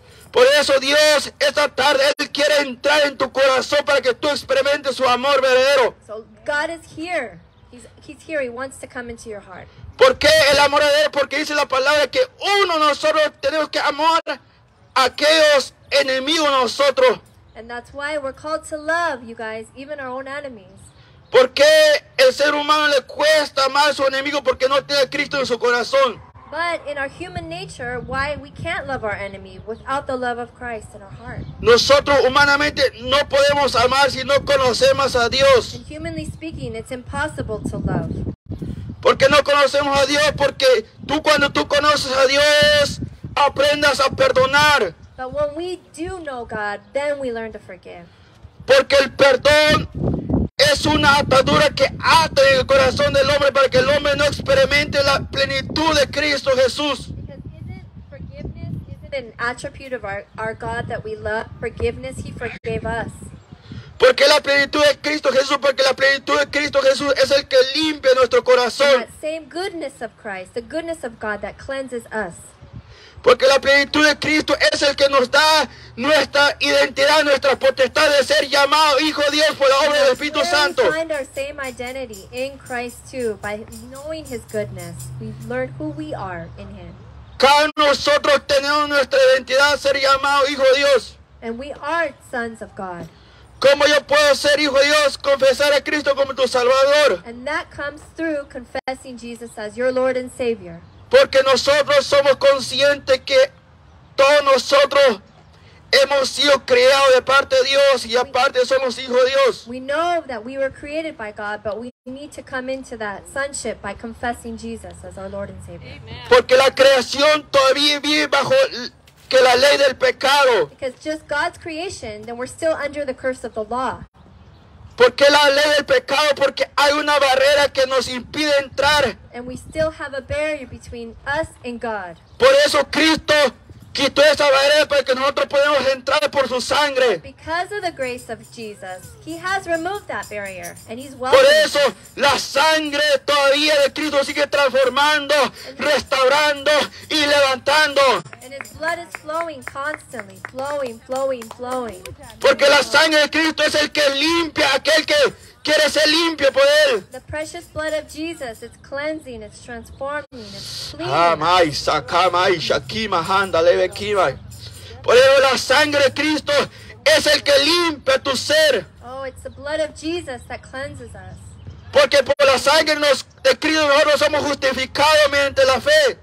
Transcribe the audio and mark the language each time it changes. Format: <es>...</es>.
<es>Por eso Dios, esta tarde, Él quiere entrar en tu corazón para que tú experimentes su amor verdadero.</es> <en>So God is here. He's here. He wants to come into your heart.</en> <es>¿Por qué el amor de él? Porque dice la palabra que uno nosotros tenemos que amar a aquellos enemigos nosotros.</es> <en>And that's why we're called to love, you guys, even our own enemies.</en> <es>¿Por qué el ser humano le cuesta amar a su enemigo? Porque no tiene a Cristo en su corazón.</es> <en>But in our human nature, why we can't love our enemy without the love of Christ in our heart.</en> <es>Nosotros humanamente no podemos amar si no conocemos a Dios.</es> <en>And humanly speaking, it's impossible to love.</en> <es>Porque no conocemos a Dios, porque tú cuando tú conoces a Dios, aprendas a perdonar.</es> <en>But when we do know God, then we learn to forgive.</en> <es>Porque el perdón es una atadura que ata en el corazón del hombre para que el hombre no experimente la plenitud de Cristo Jesús.</es> <en>Because isn't forgiveness, isn't an attribute of our God that we love, forgiveness. He forgave us.</en> <es>Porque la plenitud de Cristo Jesús, porque la plenitud de Cristo Jesús es el que limpia nuestro corazón.</es> <en>That same goodness of Christ, the goodness of God that cleanses us.</en> <es>Porque la plenitud de Cristo es el que nos da nuestra identidad, nuestra potestad de ser llamado hijo de Dios por la obra del Espíritu Santo.</es> <en>We find our same identity in Christ too, by knowing his goodness. We learn who we are in him.</en> <es>Cada nosotros tenemos nuestra identidad, ser llamado hijo de Dios.</es> <en>And we are sons of God.</en> <es>¿Cómo yo puedo ser hijo de Dios? Confesar a Cristo como tu Salvador.</es> <en>And that comes through confessing Jesus as your Lord and Savior.</en> <es>Porque nosotros somos conscientes que todos nosotros hemos sido creados de parte de Dios y aparte somos hijos de Dios.</es> <en>We know that we were created by God, but we need to come into that sonship by confessing Jesus as our Lord and Savior. Amen.</en> <es>Porque la creación todavía vive bajo que la ley del pecado.</es> <en>Because just God's creation, then we're still under the curse of the law.</en> <es>¿Por qué la ley del pecado? Porque hay una barrera que nos impide entrar.</es> <en>And we still have a barrier between us and God.</en> <es>Por eso Cristo quitó esa barrera para que nosotros podamos entrar por su sangre.</es> <en>Because of the grace of Jesus, he has removed that barrier, and he's welcome.</en> <es>Por eso la sangre todavía de Cristo sigue transformando, restaurando y levantando.</es> <en>And his blood is flowing constantly, flowing, flowing, flowing.</en> <es>Porque la sangre de Cristo es el que limpia aquel que quiere ser limpio por él.</es> <en>The precious blood of Jesus, it's cleansing, it's transforming, it's cleaning. Amai, sakamai, shakima, handa, leve, kima.</en> <es>Por eso la sangre de Cristo es el que limpia tu ser.</es> <en>Oh, it's the blood of Jesus that cleanses us.</en> <es>Porque por la sangre de Cristo nosotros somos justificados mediante la fe.</es>